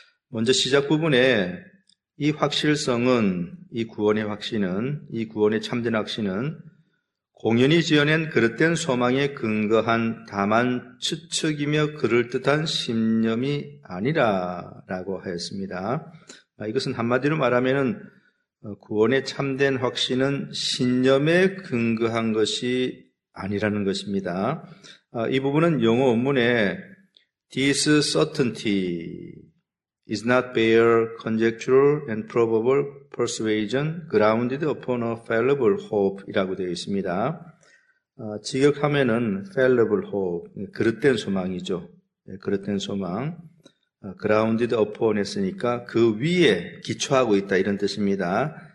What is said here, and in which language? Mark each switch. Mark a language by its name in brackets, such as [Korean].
[Korean] 먼저 시작 부분에 이 확실성은, 이 구원의 확신은, 이 구원의 참된 확신은 공연히 지어낸 그릇된 소망에 근거한 다만 추측이며 그럴듯한 신념이 아니라 라고 하였습니다. 이것은 한마디로 말하면 구원의 참된 확신은 신념에 근거한 것이 아니라는 것입니다. 이 부분은 영어 원문에 [English] This certainty is not bare conjectural and probable persuasion grounded upon a fallible hope [Korean] 이라고 되어 있습니다. 직역하면은 fallible hope, 그릇된 소망이죠. 그릇된 소망, grounded upon 했으니까 그 위에 기초하고 있다 이런 뜻입니다.